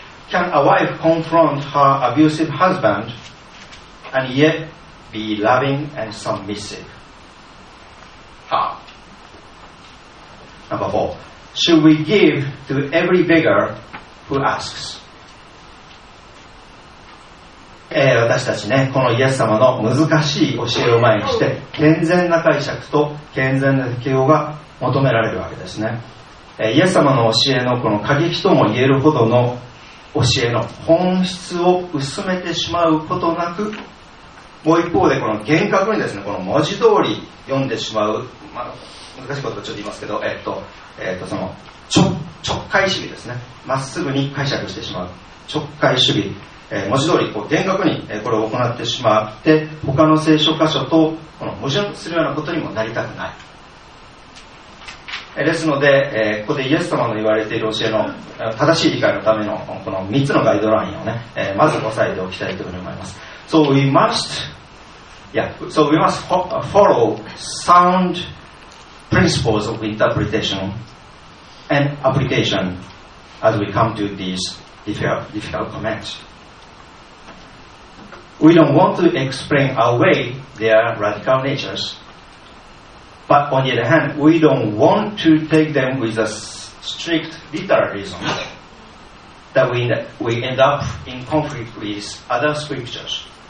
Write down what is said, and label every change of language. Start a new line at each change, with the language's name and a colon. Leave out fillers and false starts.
English: Can a wife confront her abusive husband and yet be loving and submissive? How? Number four, should we give to every beggar who asks?
Japanese: 私たちね、このイエス様の難しい教えを前にして、健全な解釈と健全な適応が求められるわけですね。イエス様の教えのこの過激とも言えるほどの教えの本質を薄めてしまうことなく、もう一方でこの厳格にですね、この文字通り読んでしまう、まあ、難しいことはちょっと言いますけど、その直解主義ですね、まっすぐに解釈してしまう直解主義、文字通りこう厳格にこれを行ってしまって、他の聖書箇所とこの矛盾するようなことにもなりたくない。ですので、ここでイエス様の言われている教えの正しい理解のためのこの3つのガイドラインをね、まず押さえておきたいというふうに思います。
English: So we must follow sound principles of interpretation and application as we come to these difficult comments. We don't want to explain away their radical naturesBut on the other hand, we don't want to take them with a strict literalism that we end up in conflict with other scriptures.